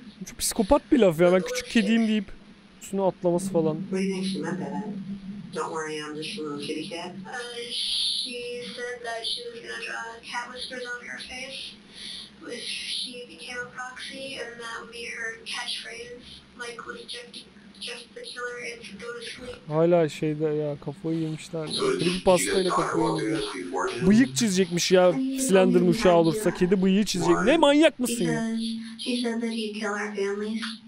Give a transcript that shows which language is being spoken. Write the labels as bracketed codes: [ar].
[tr] Çok psikopat bir laf ya, ben küçük kediyim deyip üstüne atlaması falan. [en] What do you think she meant by that? Don't worry, I'm just a little kitty cat. She said that she was gonna draw cat whiskers on her face if she became a proxy, and that would be her catchphrase. Like, was Jeff the killer and go to sleep. [tr] Hala şeyde ya, kafayı yemişler. Bir pastayla kafayı yemişler. Bıyık çizecekmiş ya, Slender'ın uşağı olursa kedi bıyığı çizecek. Ne manyak mısın ya? [en] She said that he'd kill our families.